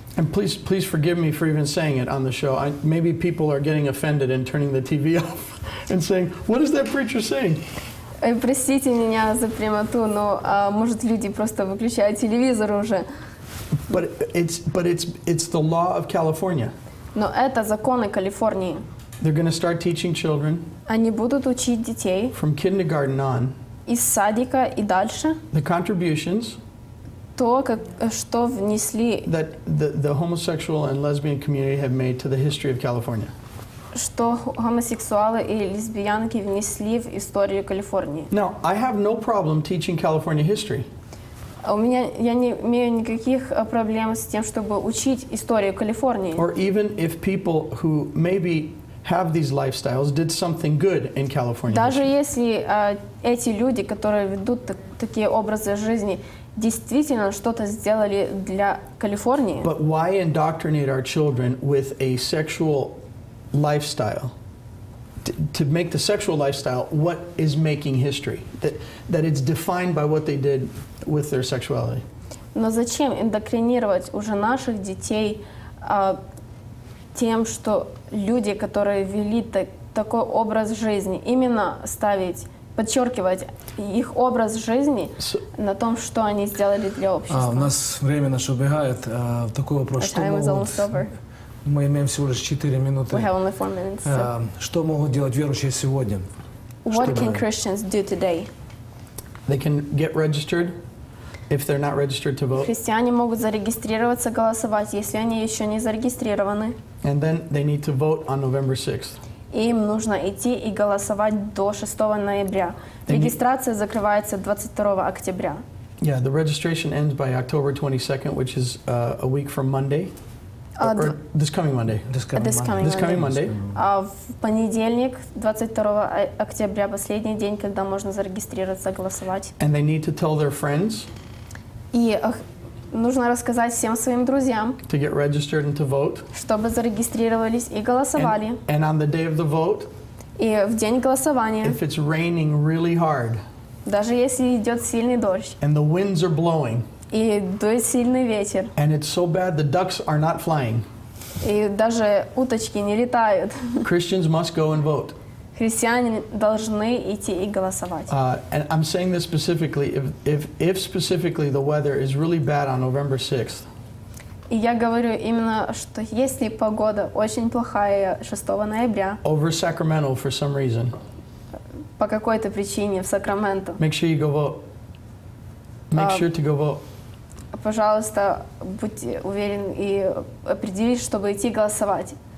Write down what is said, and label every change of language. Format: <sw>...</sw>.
<en>And please forgive me for even saying it on the show. Maybe people are getting offended and turning the TV off and saying, "What is that preacher saying?"</en> <ru>Простите меня за прямоту, но может люди просто выключают телевизор уже.</ru> <en>But it's the law of California.</en> <ru>Но это законы Калифорнии.</ru> <en>They're going to start teaching children.</en> <ru>Они будут учить детей.</ru> <en>From kindergarten on.</en> <ru>Из садика и дальше.</ru> <en>The contributions.</en> <ru>То, что внесли.</ru> <en>That the homosexual and lesbian community have made to the history of California.</en> <ru>Что гомосексуалы и лесбиянки внесли в историю Калифорнии.</ru> <en>Now, I have no problem teaching California history.</en> <ru>Я не имею никаких проблем с тем, чтобы учить историю Калифорнии.</ru> <en>Or even if people who maybe have these lifestyles did something good in California.</en> <ru>Даже если эти люди, которые ведут такие образы жизни, действительно что-то сделали для Калифорнии.</ru> <en>But why indoctrinate our children with a sexual lifestyle? To make the sexual lifestyle what is making history? That it's defined by what they did with their sexuality.</en> <ru>Но зачем индоктринировать уже наших детей тем, что люди, которые вели такой образ жизни, именно ставить, подчеркивать их образ жизни на том, что они сделали для общества. У нас время наше убегает. Такой вопрос. Что мы имеем всего лишь 4 минуты.</ru> <en>We have only 4 minutes, so.</en> <ru>Что могут делать верующие сегодня?</ru> <en>What can Christians do today? They can get registered if they're not registered to vote.</en> <ru>Христиане могут зарегистрироваться, голосовать, если они еще не зарегистрированы.</ru> <en>And then they need to vote on November 6th.</en> <ru>Им нужно идти и голосовать до 6 ноября. Регистрация закрывается 22 октября.</ru> <en>Yeah, the registration ends by October 22nd, which is a week from Monday. This coming Monday.</en> <ru>В понедельник, 22 октября, последний день, когда можно зарегистрироваться, голосовать.</ru> <en>And they need to tell their friends.</en> <ru>И нужно рассказать всем своим друзьям,</ru> <en>to get registered and to vote,</en> <ru>чтобы зарегистрировались и голосовали.</ru> <en>And on the day of the vote,</en> <ru>и в день голосования,</ru> <en>if it's raining really hard,</en> <ru>даже если идет сильный дождь,</ru> <en>and the winds are blowing,</en> <ru>и дует сильный ветер,</ru> <en>and it's so bad the ducks are not flying,</en> <ru>и даже уточки не летают,</ru> <en>Christians must go and vote.</en> <ru>Христиане должны идти и голосовать.</ru> <en>And I'm saying this specifically, if specifically the weather is really bad on November 6th.</en> <ru>И я говорю именно, что если погода очень плохая 6 ноября.</ru> <en>Over Sacramento for some reason.</en> <ru>По какой-то причине в Сакраменто.</ru> <en>Make sure you go vote. Make sure to go vote.</en> <ru>Пожалуйста, будьте уверены и определитесь, чтобы идти голосовать.</ru>